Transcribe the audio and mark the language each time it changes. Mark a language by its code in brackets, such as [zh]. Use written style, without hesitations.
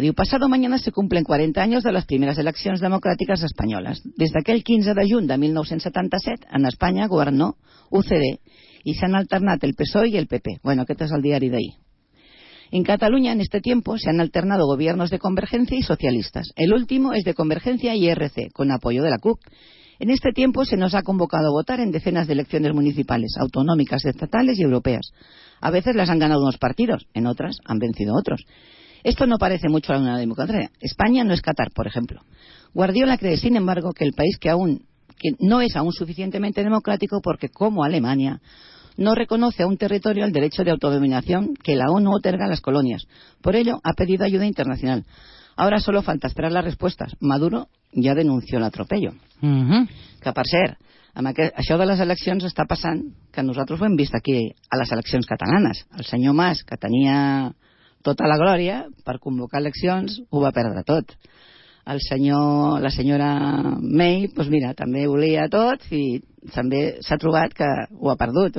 [es] Diu, pasado mañana se cumplen 40 años de las primeras elecciones democráticas españolas. Desde aquel 15 de juny de 1977, en Espanya governó UCD [ca] i s'han alternat [es] el PSOE i el PP. [ca] Bueno, aquest és el diari d'ahir. [es] En Cataluña, en este tiempo, se han alternado gobiernos de convergencia y socialistas. El último es de convergencia y ERC, con apoyo de la CUP. En este tiempo se nos ha convocado a votar en decenas de elecciones municipales, autonómicas, estatales y europeas. A veces las han ganado unos partidos, en otras han vencido otros. Esto no parece mucho a una democracia. España no es Qatar, por ejemplo. Guardiola cree, sin embargo, que el país que no es aún suficientemente democrático porque, como Alemania, no reconoce a un territorio el derecho de autodeterminación que la ONU otorga a las colonias. Por ello, ha pedido ayuda internacional. Ahora solo falta esperar las respuestas. Maduro ya denunció el atropello. Mm-hmm. [ca] Que, per cert, això de les eleccions està passant, que nosaltres ho hem vist aquí a les eleccions catalanes. El senyor Mas, que tenia tota la glòria per convocar eleccions, ho va perdre tot. La senyora May, [es] pues mira, [ca] també volia tot i també s'ha trobat que ho ha perdut.